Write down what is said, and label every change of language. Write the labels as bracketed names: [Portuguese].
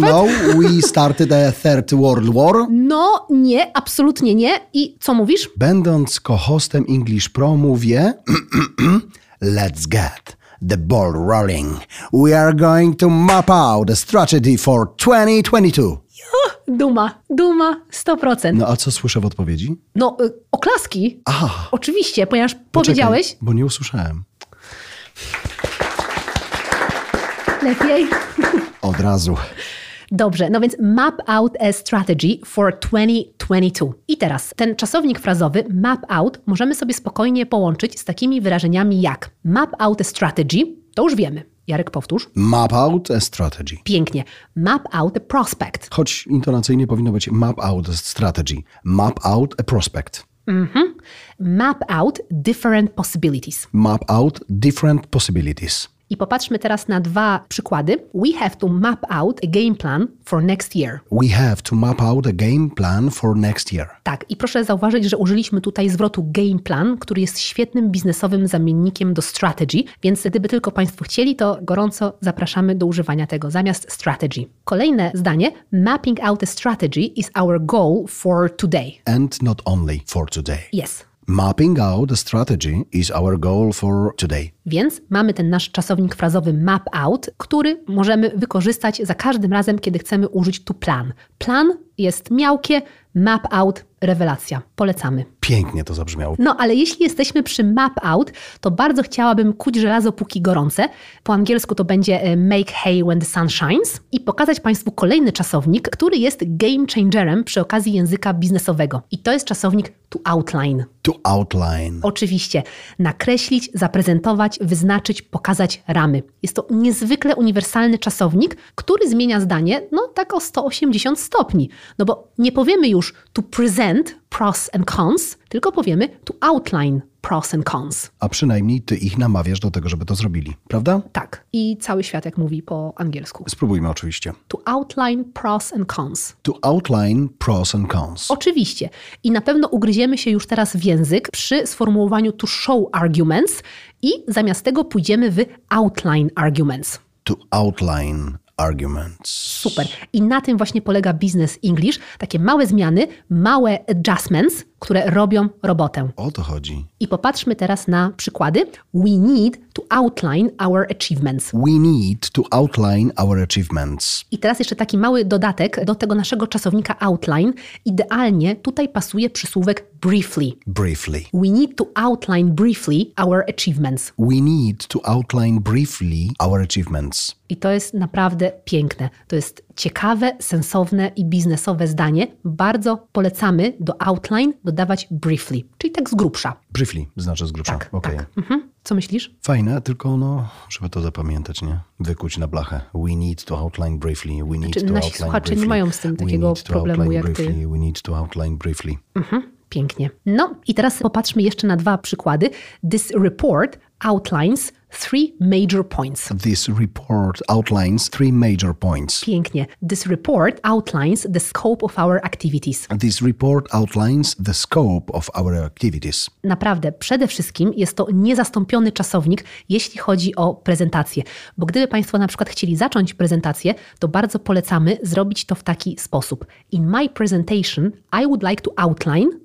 [English] You know, we started a third world war. [Polish] No, nie, absolutnie nie. I co mówisz? Będąc co-hostem [English] English Pro [Polish] mówię, [English] let's get the ball rolling. We are going to map out a strategy for 2022. [Polish] Duma, 100%. No a co słyszę w odpowiedzi? No, oklaski. Aha. Oczywiście, ponieważ poczekaj, powiedziałeś... bo nie usłyszałem. Lepiej. Od razu. Dobrze, no więc [English] map out a strategy for 2022. [Polish] I teraz ten czasownik frazowy map out możemy sobie spokojnie połączyć z takimi wyrażeniami jak [English] map out a strategy, [Polish] to już wiemy. Jarek, powtórz. [English] Map out a strategy. [Polish] Pięknie. [English] Map out a prospect. [Polish] Choć intonacyjnie powinno być [English] map out a strategy. Map out a prospect. Mhm. Map out different possibilities. Map out different possibilities. [Polish] I popatrzmy teraz na dwa przykłady. [English] We have to map out a game plan for next year. We have to map out a game plan for next year. [Polish] Tak, i proszę zauważyć, że użyliśmy tutaj zwrotu game plan, który jest świetnym biznesowym zamiennikiem do strategy, więc gdyby tylko Państwo chcieli, to gorąco zapraszamy do używania tego zamiast strategy. Kolejne zdanie. [English] Mapping out a strategy is our goal for today. And not only for today. Yes. Mapping out a strategy is our goal for today. [Polish] Więc mamy ten nasz czasownik frazowy map out, który możemy wykorzystać za każdym razem, kiedy chcemy użyć tu plan. Plan jest miałkie, map out rewelacja. Polecamy. Pięknie to zabrzmiało. No, ale jeśli jesteśmy przy map out, to bardzo chciałabym kuć żelazo póki gorące. Po angielsku to będzie [English] make hay when the sun shines. [Polish] I pokazać Państwu kolejny czasownik, który jest game changerem przy okazji języka biznesowego. I to jest czasownik to outline. [English] To outline. [Polish] Oczywiście. Nakreślić, zaprezentować, wyznaczyć, pokazać ramy. Jest to niezwykle uniwersalny czasownik, który zmienia zdanie, no tak o 180 stopni. No bo nie powiemy już [English] to present pros and cons, [Polish] tylko powiemy [English] to outline pros and cons. [Polish] A przynajmniej ty ich namawiasz do tego, żeby to zrobili, prawda? Tak. I cały świat jak mówi po angielsku. Spróbujmy oczywiście. [English] To outline pros and cons. To outline pros and cons. [Polish] Oczywiście. I na pewno ugryziemy się już teraz w język przy sformułowaniu [English] to show arguments [Polish] i zamiast tego pójdziemy w [English] outline arguments. To outline arguments. [Polish] Super. I na tym właśnie polega Business English. Takie małe zmiany, małe adjustments, które robią robotę. O to chodzi. I popatrzmy teraz na przykłady. [English] We need to outline our achievements. We need to outline our achievements. [Polish] I teraz jeszcze taki mały dodatek do tego naszego czasownika outline. Idealnie tutaj pasuje przysłówek briefly. [English] Briefly. We need to outline briefly our achievements. We need to outline briefly our achievements. [Polish] I to jest naprawdę piękne. To jest ciekawe, sensowne i biznesowe zdanie. Bardzo polecamy do outline dodawać briefly, czyli tak z grubsza. Briefly znaczy z grubsza. Tak, okay. Tak. Mhm. Co myślisz? Fajne, tylko no, trzeba to zapamiętać, nie? Wykuć na blachę. [English] We need to outline briefly. We need [Polish] znaczy, [English] to [Polish] nasi [English] outline [Polish] słuchacze [English] briefly. [Polish] Nie mają z tym takiego problemu jak [English] briefly. [Polish] Ty. [English] We need to outline briefly. [Polish] Mhm. Pięknie. No i teraz popatrzmy jeszcze na dwa przykłady. [English] This report outlines 3 major points. This report outlines 3 major points. [Polish] Pięknie. [English] This report outlines the scope of our activities. This report outlines the scope of our activities. [Polish] Naprawdę, przede wszystkim jest to niezastąpiony czasownik, jeśli chodzi o prezentację. Bo gdyby Państwo na przykład chcieli zacząć prezentację, to bardzo polecamy zrobić to w taki sposób. [English] In my presentation, I would like to outline...